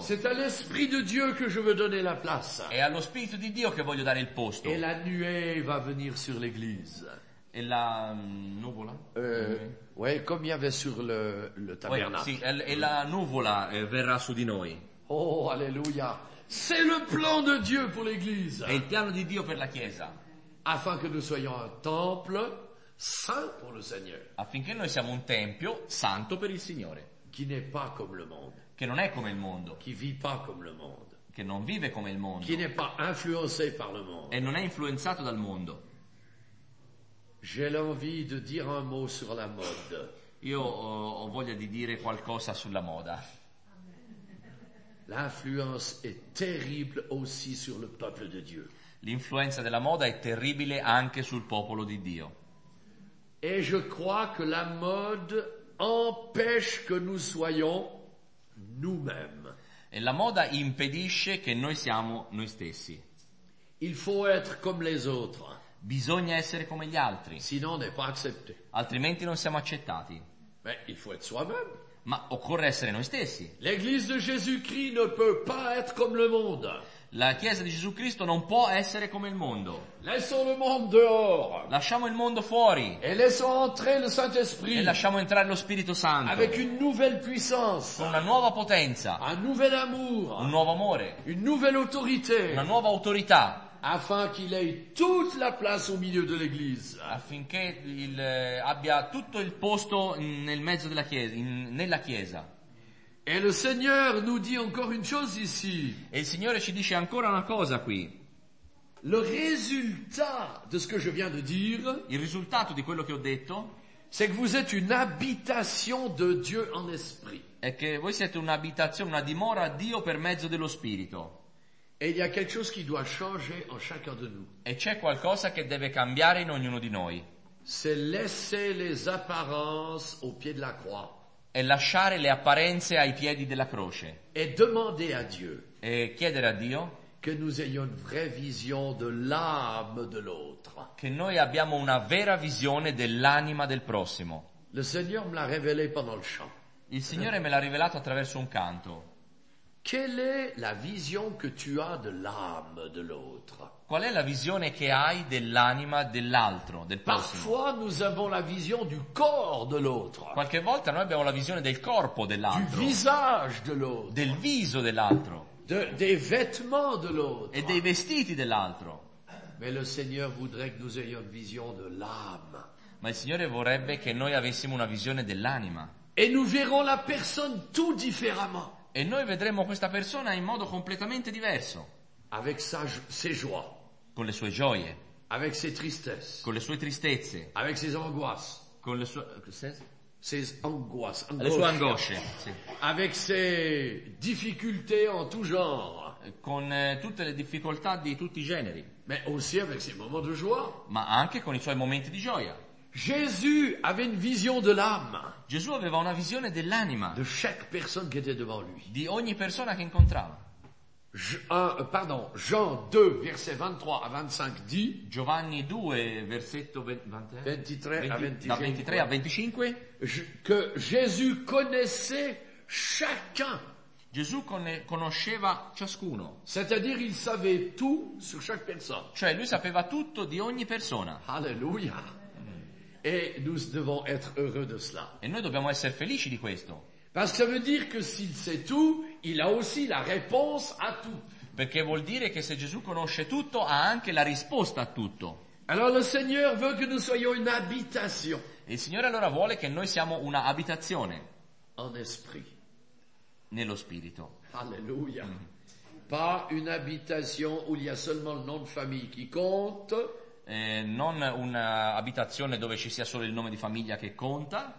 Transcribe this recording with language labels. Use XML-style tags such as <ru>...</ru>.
<fr>C'est à l'Esprit de Dieu que je veux donner la place.</fr> <it>È allo Spirito di Dio che voglio dare il posto.</it> <fr>Et la nuée va venir sur l'église.</fr> <it>E la nuvola?</it> <fr>Ouais, comme il y avait sur le tabernacle.</fr> <it>Sì, e la nuvola verrà su di noi.</it> <fr>Oh, alléluia. C'est le plan de Dieu pour l'église.</fr> <it>È il piano di Dio per la chiesa.</it> <fr>Afin que nous soyons un temple saint pour le Seigneur.</fr> <it>Affinché noi siamo un tempio santo per il Signore.</it> <fr>Qui n'est pas comme le monde.</fr> <it>Che non è come il mondo.</it> <fr>Qui vit pas comme le monde.</fr> <it>Che non vive come il mondo.</it> <fr>Qui n'est pas influencé par le monde.</fr> <it>E non è influenzato dal mondo.</it> <fr>J'ai l'envie de dire un mot sur la mode.</fr> <it>Io ho voglia di dire qualcosa sulla moda.</it> <fr>L'influence est terrible aussi sur le peuple de Dieu.</fr> <it>L'influenza della moda è terribile anche sul popolo di Dio.</it> <fr>Et je crois que la mode empêche que nous soyons nous-mêmes.</fr> <it>E la moda impedisce che noi siamo noi stessi.</it> <fr>Il faut être comme les autres.</fr> <it>Bisogna essere come gli altri.</it> <fr>Sinon on n'est pas accepté.</fr> <it>Altrimenti non siamo accettati.</it> <fr>Beh, il faut être soi-même.</fr> <it>Ma occorre essere noi stessi.</it> <fr>L'église de Jésus-Christ ne peut pas être comme le monde.</fr> <it>La chiesa di Gesù Cristo non può essere come il mondo.</it> <fr>Laissons le monde dehors.</fr> <it>Lasciamo il mondo fuori.</it> <fr>Et laissons entrer le Saint-Esprit.</fr> <it>E lasciamo entrare lo Spirito Santo.</it> <fr>Avec une nouvelle puissance.</fr> <it>Con una nuova potenza.</it> <fr>Un nouvel amour.</fr> <it>Un nuovo amore.</it> <fr>Une nouvelle autorité.</fr> <it>Una nuova autorità.</it> <fr>Afin qu'il ait toute la place au milieu de l'église.</fr> <it>Affinché il abbia tutto il posto nel mezzo della chiesa, nella chiesa.</it> <fr>Et le Seigneur nous dit encore une chose ici.</fr> <it>E il Signore ci dice ancora una cosa qui.</it> <fr>Le résultat de ce que je viens de dire,</fr> <it>il risultato di quello che ho detto,</it> <fr>c'est que vous êtes une habitation de Dieu en esprit.</fr> <it>È che voi siete un'abitazione, una dimora a Dio per mezzo dello Spirito.</it> <fr>Et il y a quelque chose qui doit changer en chacun de nous.</fr> <it>E c'è qualcosa che deve cambiare in ognuno di noi.</it> <fr>C'est laisser les apparences au pied de la croix.</fr> <it>E lasciare le apparenze ai piedi della croce.</it> <fr>Et demander à Dieu.</fr> <it>E chiedere a Dio.</it> <fr>Que nous ayons une vraie vision de l'âme de l'autre.</fr> <it>Che noi abbiamo una vera visione dell'anima del prossimo.</it> <fr>Le Seigneur me l'a révélé pendant le chant.</fr> <it>Il Signore me l'ha rivelato attraverso un canto.</it> <fr>Quelle est la vision que tu as de l'âme de l'autre?</fr> <it>Qual è la visione che hai dell'anima dell'altro, del prossimo?</it> <fr>Parfois nous avons la vision du corps de l'autre.</fr> <it>Qualche volta noi abbiamo la visione del corpo dell'altro.</it> <fr>Du visage de l'autre.</fr> <it>Del viso dell'altro.</it> <fr>Des vêtements de l'autre.</fr> <it>E dei vestiti dell'altro.</it> <fr>Mais le Seigneur voudrait que nous ayons une vision de l'âme.</fr> <it>Ma il Signore vorrebbe che noi avessimo una visione dell'anima.</it> <fr>Et nous verrons la personne tout différemment.</fr> <it>E noi vedremo questa persona in modo completamente diverso.</it> <fr>Avec sa, ses joies.</fr> <it>Con le sue gioie.</it> <fr>Avec ses tristesses.</fr> <it>Con le sue tristezze.</it> <fr>Avec ses angoisses.</fr> <it>Con le sue</it> <fr>angoisses.</fr> <it>Le sue angosce. Sì.</it> <fr>Avec ses difficultés en tout genre.</fr> <it>Con tutte le difficoltà di tutti i generi.</it> <fr>Mais aussi avec ses moments de joie.</fr> <it>Ma anche con i suoi momenti di gioia.</it> <fr>Jésus avait une vision de l'âme.</fr> <it>Gesù aveva una visione dell'anima.</it> <fr>De chaque personne qui était devant lui.</fr> <it>Di ogni persona che incontrava.</it> <fr>Jean 2 verset 23 à 25 dit.</fr> <it>Giovanni 2 versetto</it> <fr>23 à 25. Que Jésus connaissait chacun.</fr> <it>Gesù conosceva ciascuno.</it> <fr>C'est-à-dire il savait tout sur chaque personne.</fr> <it>Cioè lui sapeva tutto di ogni persona. Alleluia.</it> <fr>Et nous devons être heureux de cela.</fr> <it>E noi dobbiamo essere felici di questo.</it> <fr>Parce que ça veut dire que s'il sait tout, il a aussi la réponse à tout.</fr> <it>Perché vuol dire che se Gesù conosce tutto, ha anche la risposta a tutto.</it> <fr>Alors le Seigneur veut que nous soyons une habitation.</fr> <it>E il Signore allora vuole che noi siamo una abitazione.</it> <fr>En esprit.</fr> <it>Nello spirito.</it> <fr>Alléluia. Pas une habitation où il y a seulement le nom de famille qui compte.</fr> <it>Non un'abitazione dove ci sia solo il nome di famiglia che conta,</it>